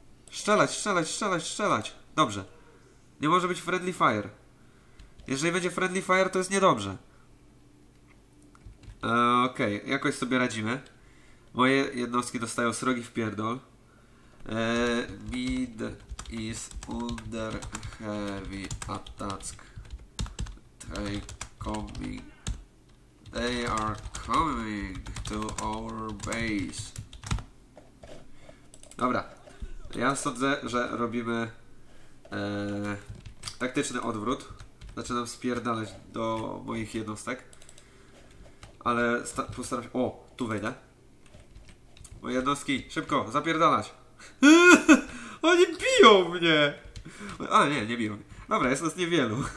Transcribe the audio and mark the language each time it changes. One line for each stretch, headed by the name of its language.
Polish: Strzelać, strzelać, strzelać, strzelać. Dobrze. Nie może być friendly fire. Jeżeli będzie friendly fire, to jest niedobrze. Okej, okay. Jakoś sobie radzimy. Moje jednostki dostają srogi wpierdol.
English: Mid is under heavy attack. They coming. They are coming to our base.
Polish: Dobra. Ja sądzę, że robimy taktyczny odwrót. Zaczynam spierdalać do moich jednostek. Ale postaram się. O, tu wejdę. Moje jednostki, szybko, zapierdalać. Oni biją mnie. A nie, nie biją mnie. Dobra, jest nas niewielu.